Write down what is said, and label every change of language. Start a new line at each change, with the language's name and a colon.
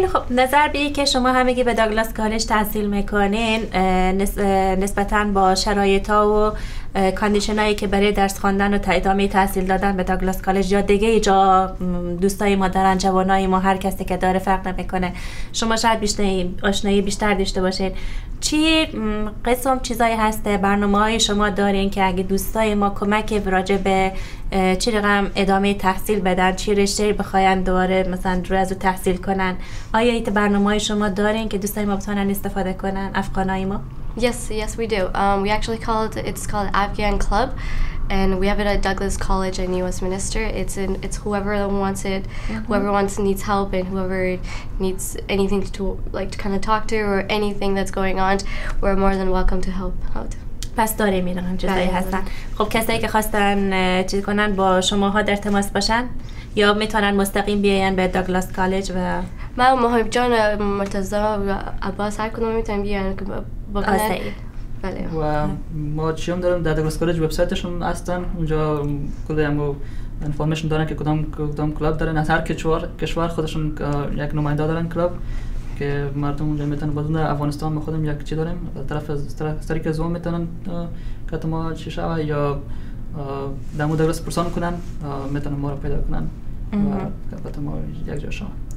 Persian: نظر بیه که شما همگی به داگلاس کالج تحصیل میکنین، نسبتاً با شرایط ها و کاندیشن هایی که برای درس خواندن و ادامه تحصیل دادن به داگلاس کالج یا دیگه ای جا دوستای ما دارن، جوانای ما، هر کسی که داره فرق نمیکنه، شما شاید بیشتر آشنایی بیشتر داشته باشین، چی قسم چیزایی هست برنامه های شما دارین که اگه دوستای ما کمک راجع به چی رقم ادامه تحصیل بدن، چی رشته بخواین دوباره مثلا رو از تحصیل کنن، آیا این برنامه های شما دارین که دوستای ما بتونن استفاده کنن، افغانای ما؟
English: Yes, we do. We actually it's called Afghan Club, and we have it at Douglas College in U.S. Minister. It's whoever wants it, mm-hmm. whoever wants needs help, and whoever needs anything to kind of talk to or anything that's going on, we're more than welcome to help out.
Persian: پس داره میرن جزایی هستن. خب کسایی که خواستن چیز کنن با شماها در تماس باشن، یا میتونن مستقیم بیاین به داگلاس کالج و من محب جان مرتضی و عباس هر کدوم میتونن بیاین که بکنه بله. و ما چی هم دارم در داگلاس کالج وبسایتشون هستن اونجا کلی همو انفورمیشن دارن که کدام کلاب دارن از هر کشور خودشون یک نماینده دارن کلاب که مردم اونجا میتونن بدون افغانستان ما خودم یک چی داریم از طرف از طریق زوم میتونن که ما چی شوه یا در مورد درس پرسان کنن میتونن ما رو پیدا کنن و قطعا ما یک جا شوه